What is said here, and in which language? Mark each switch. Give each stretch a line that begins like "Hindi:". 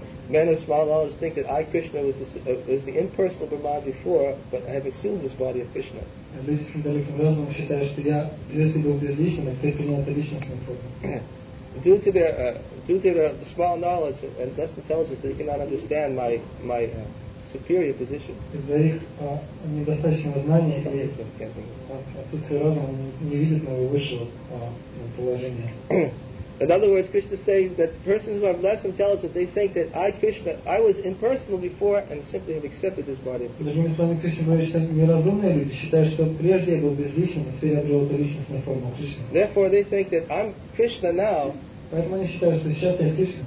English: Men of small knowledge think that I, Krishna, was the impersonal Brahman before, but I have assumed this body of Krishna. due to their small knowledge and less intelligence, they cannot understand my superior position.
Russian: Из-за их недостаточного знания и отсутствия разума не видят моего высшего положения.
English: In other words, Krishna says that persons who have less intelligence, they think that I, Krishna, I was impersonal before and simply have accepted this body.
Russian: Другими словами, Кришна говорит, что неразумные люди считают, что прежде я был безличным, и теперь я обрел эту личностную форму Кришны.
English: Therefore, they think that I'm Krishna now.
Russian: Поэтому они считают, что сейчас я Кришна.